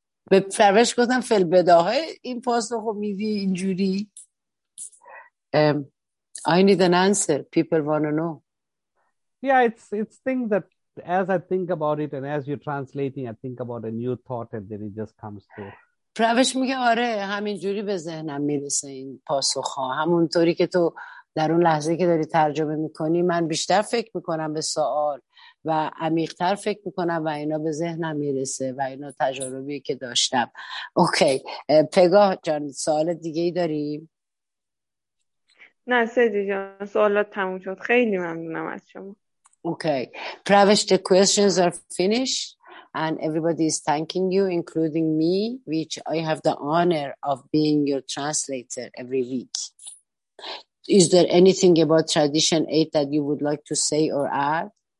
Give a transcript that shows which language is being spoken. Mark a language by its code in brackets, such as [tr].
[fa] به پروش گفتم فل بداهای این پاسخو میدی اینجوری. [en] I need an answer. People want to know. Yeah, it's thing that as I think about it and as you're translating, I think about a new thought and then it just comes through. [fa] پروش میگه آره همین جوری به ذهنم میرسه این پاسخ ها، همونطوری که تو در اون لحظه که داری ترجمه میکنی من بیشتر فکر میکنم به سوال و عمیقتر فکر میکنم و اینا به ذهنم میرسه و اینا تجاربی که داشتم. اوکی پگاه جان، سوال دیگه ای داریم؟ نه سیدی جان، سوالات تموم شد. خیلی ممنونم از شما. [en] Okay پروش، the questions are finished and everybody is thanking you, including me, which I have the honor of being your translator every week. Is there anything about Tradition 8 that you would like to say or add?